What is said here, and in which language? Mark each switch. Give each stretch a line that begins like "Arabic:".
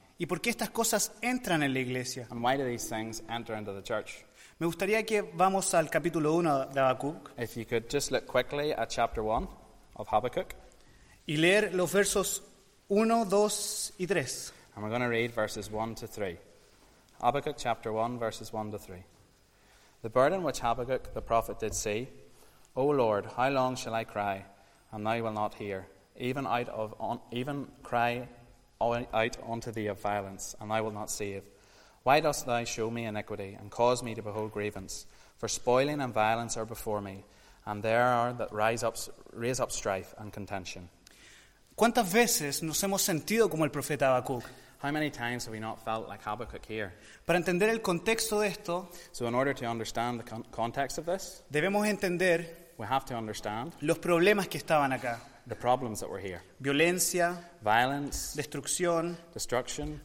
Spanish: ¿Y por qué estas cosas entran en la iglesia?
English: And why do these things enter into the church?
Spanish: Me gustaría que vamos al capítulo 1 de Habacuc.
English: If you could just look quickly at chapter 1 of Habakkuk.
Spanish: Y leer los versos 1, 2 y 3.
English: And we're going to read verses 1 to 3. Habakkuk chapter 1, verses 1 to 3. The burden which Habakkuk the prophet did see, O Lord, how long shall I cry, and thou wilt not hear? Even cry out unto thee of violence, and thou wilt not save. Why dost thou show me iniquity, and cause me to behold grievance? For spoiling and violence are before me, and there are that raise up strife and contention.
Spanish: ¿Cuántas veces nos hemos sentido como el profeta Habacuc?
English: How many times have we not felt like Habakkuk here?
Spanish: Para entender el contexto de esto,
English: so in order to understand the context of this,
Spanish: debemos entender,
English: we have to understand,
Spanish: los problemas que estaban acá.
English: The problems that were here.
Spanish: Violencia.
English: Violence.
Spanish: Destrucción.
English: Destruction.